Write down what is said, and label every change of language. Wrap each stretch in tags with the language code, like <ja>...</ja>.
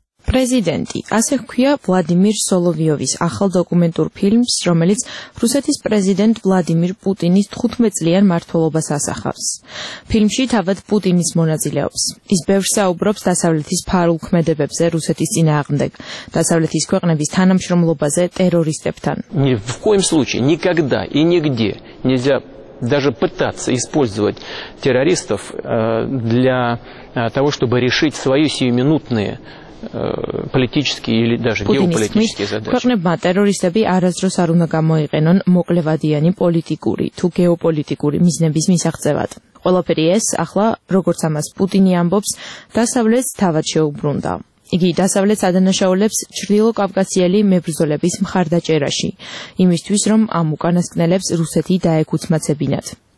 <ka>პრეზიდენტი, ასე ჰქვია ვლადიმირ სოლოვიოვის ახალ დოკუმენტურ ფილმს, რომელიც რუსეთის პრეზიდენტ ვლადიმირ პუტინის 15 წლიან მართველობას ასახავს. ფილმში თავად პუტინის მონაწილეობს. ის ბევრ საუბრობს დასავლეთის ფარულქმედებებზე რუსეთის წინააღმდეგ, დასავლეთის ქვეყნების თანამშრომლობაზე ტერორისტებთან.</ka> <ru>Ни в коем случае никогда и нигде нельзя даже пытаться использовать террористов для того, чтобы решить свои сиюминутные политические или даже геополитические задачи.</ru> <ka>Ქვეყნებმა ტერორისტები არასდროს არ უნდა გამოიყენონ მოკლევადიანი პოლიტიკური თუ გეოპოლიტიკური მიზნების მისაღწევად. ყველაფერი ეს ახლა, როგორც ამას პუტინი ამბობს, დასავლეთს თავად შეუბრუნდა. იგი დასავლეთს ადანაშაულებს ჩრდილო კავკასიელი მებრძოლების მხარდაჭერაში, იმისთვის რომ ამ უკანასკნელებს რუსეთი დაეკუცმაცებინათ.</ka>